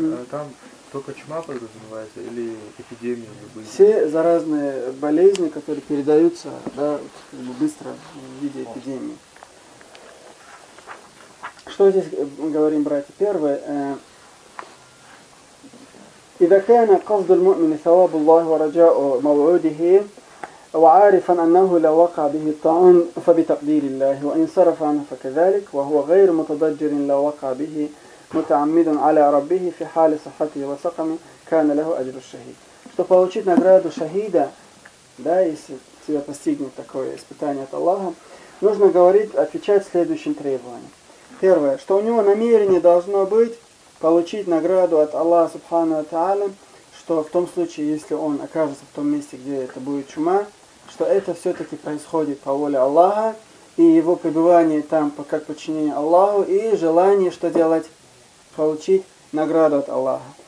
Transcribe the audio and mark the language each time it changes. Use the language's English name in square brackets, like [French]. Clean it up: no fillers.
[Russian] Там только чума подразумевается или эпидемия? Все заразные болезни, которые передаются, да, быстро в виде эпидемии. Что здесь говорим, братья? Первое. [Arabic] إذا كان قصد المؤمن ثواب الله ورجاء موعوده وعارفا أنه لو وقع به الطاعون فبتقدير الله وإن صرف عنه فكذلك وهو غير متضجر لو وقع به متعمد على ربه في حال صحته وسقمه كان له أجر الشهيد. [Russian] Что получить награду шахида, да, если тебя постигнет такое испытание от Аллаха, нужно говорить, отвечать следующим требованиям. Первое, что у него намерение должно быть получить награду от Аллаха Субхану ва Тааля, что в том случае, если он окажется в том месте, где это будет чума, что это все-таки происходит по воле Аллаха, и его пребывание там как подчинение Аллаху, и желание, что делать, получить награду от Аллаха.